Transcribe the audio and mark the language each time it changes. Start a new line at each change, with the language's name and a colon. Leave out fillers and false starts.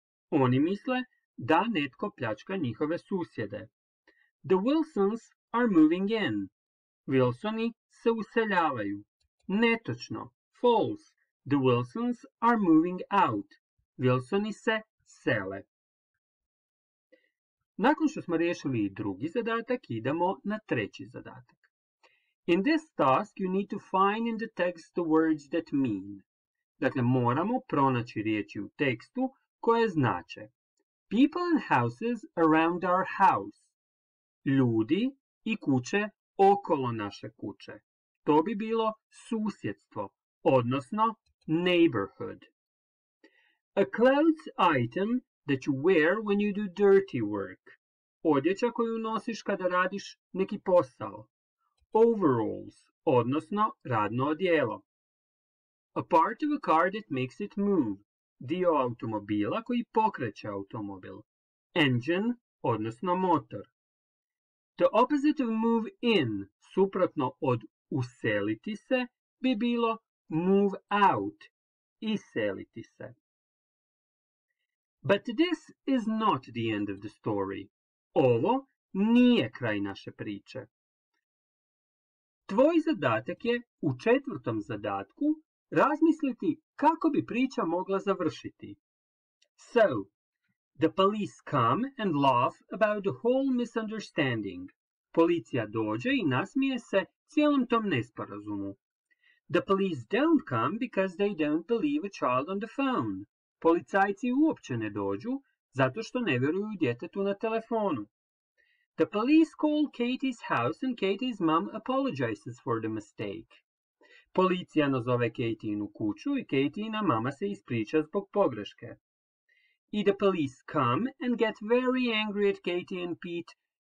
Croatian: Oni misle da netko pljačka njihove susjede.
English: The Wilsons are moving in.
Croatian: Wilsoni se useljavaju. Netočno.
English: False. The Wilsons are moving out.
Croatian: Wilsoni se sele. Nakon što smo riješili drugi zadatak, idemo na treći zadatak.
English: In this task, you need to find in the text the words that mean.
Croatian: Dakle, moramo pronaći riječi u tekstu koje znače.
English: People and houses around our house.
Croatian: Ljudi i kuće okolo naše kuće. To bi bilo susjedstvo, odnosno
English: neighborhood. A clothes item that you wear when you do dirty work.
Croatian: Odjeća koju nosiš kada radiš neki posao. Overalls, odnosno radno odijelo.
English: A part of a car that makes it move.
Croatian: Dio automobila koji pokreće automobil. Engine, odnosno motor.
English: The opposite of move in,
Croatian: suprotno od useliti se, bi bilo
English: move out,
Croatian: iseliti se.
English: But this is not the end of the story.
Croatian: Ovo nije kraj naše priče. Tvoj zadatak je, u četvrtom zadatku, razmisliti kako bi priča mogla završiti.
English: So, the police come and laugh about the whole misunderstanding.
Croatian: Policija dođe i nasmije se cijelom tom nesporazumu.
English: The police don't come because they don't believe a child on the phone.
Croatian: Policajci uopće ne dođu zato što ne vjeruju djetetu na telefonu.
English: The police call Katie's house and Katie's mom apologizes for the mistake.
Croatian: Policija nazove Katie'inu kuću i Katie'ina mama se ispriča zbog pogreške.
English: I the police come and get very angry at Katie and Pete.